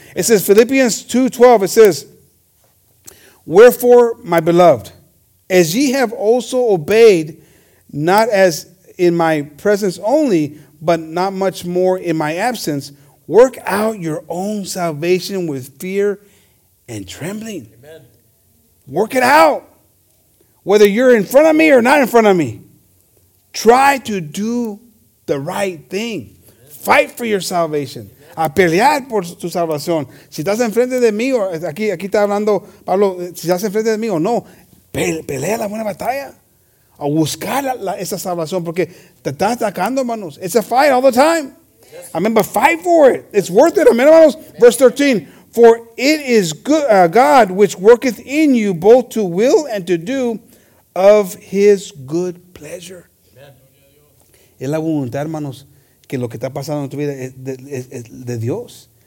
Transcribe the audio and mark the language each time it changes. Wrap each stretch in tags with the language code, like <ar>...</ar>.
<en>It says Philippians 2:12, it says, "Wherefore, my beloved, as ye have also obeyed, not as in my presence only, but not much more in my absence, work out your own salvation with fear and trembling." Amen. Work it out. Whether you're in front of me or not in front of me, try to do the right thing. Amen. Fight for your salvation.</en> <es>A pelear por tu salvación. Si estás enfrente de mí, o aquí está hablando Pablo, si estás enfrente de mí o no, pelea la buena batalla. A buscar esa salvación, porque te está atacando, hermanos.</es> <en>It's a fight all the time. Yes. I mean, but fight for it. It's worth it, amen, hermanos. Amen. Verse 13, "For it is good, God which worketh in you both to will and to do of his good pleasure." Amen.</en> <es>Es la voluntad, hermanos. Que lo que está pasando en tu vida es de Dios.</es>